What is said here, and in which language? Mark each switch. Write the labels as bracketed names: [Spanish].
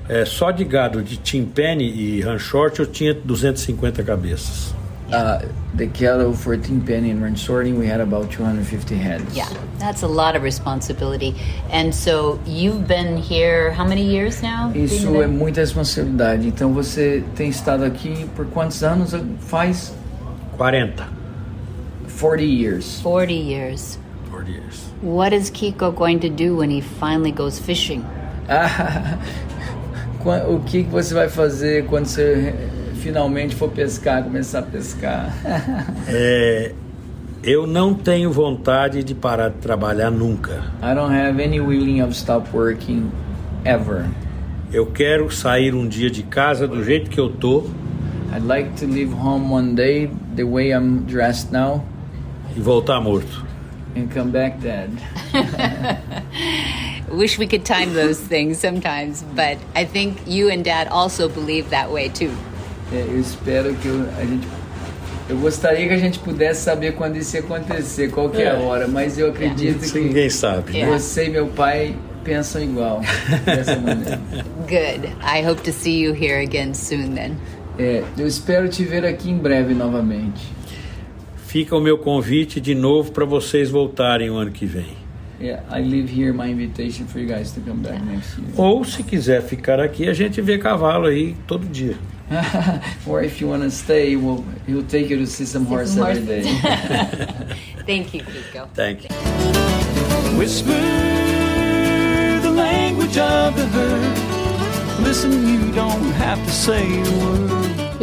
[Portuguese] Só de gado de timpen e ranchorte eu tinha 250 cabeças. [English] The cattle for timpen and ranchorting we had about 250 heads. Yeah, that's a lot of responsibility. And so you've been here how many years now? [Portuguese] Isso é muita responsabilidade. Então você tem estado aqui por quantos anos faz? 40. [English] 40 years. 40 years. 40 years. What is Kiko going to do when he finally goes fishing? [Portuguese] O que você vai fazer quando você finalmente for pescar, começar a pescar? Eu não tenho vontade de parar de trabalhar nunca. [English] I don't have any willing of stop working ever. [Portuguese] Eu quero sair um dia de casa do jeito que eu tô. [English] I'd like to leave home one day the way I'm dressed now. [Portuguese] E voltar morto. [English] And come back dead. Wish we could time those things sometimes, but I think you and Dad also believe that way too. [Portuguese] É, eu espero que a gente... Eu gostaria que a gente pudesse saber quando isso ia acontecer, qual que é a hora, mas eu acredito que... Ninguém sabe, né? Você e meu pai pensam igual, dessa maneira. [English] Good. I hope to see you here again soon, then. [Portuguese] É, eu espero te ver aqui em breve novamente. Fica o meu convite de novo para vocês voltarem o ano que vem. [English] Yeah, I leave here my invitation for you guys to come back next year. [Portuguese] Ou se quiser ficar aqui, a gente vê cavalo aí todo dia. [English] Or if you want to stay, he'll take you to see some horses every day. Thank you, Kiko. Thank you. Whisper the language of the herd. Listen, you don't have to say a word.